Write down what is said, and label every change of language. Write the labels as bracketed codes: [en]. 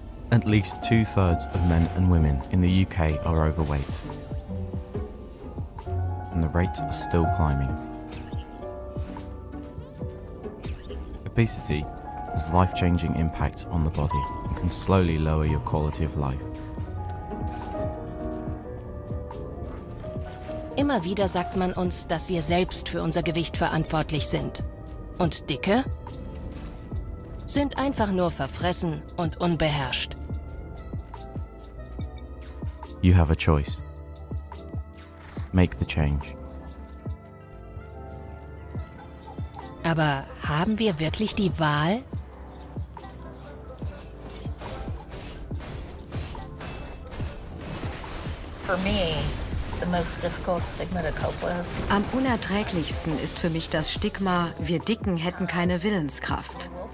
[en] At least two-thirds of men and women in the UK are overweight. And the rates are still climbing. Obesity has life-changing impacts on the body and can slowly lower your quality of life. [de] Immer wieder sagt man uns, dass wir selbst für unser Gewicht verantwortlich sind. Und Dicke? Sind einfach nur verfressen und unbeherrscht. [en] You have a choice. Make the change. [de] Aber haben wir wirklich die Wahl? [en] For me, the most difficult stigma to cope with. [de] Am unerträglichsten ist für mich das Stigma, wir Dicken hätten keine Willenskraft.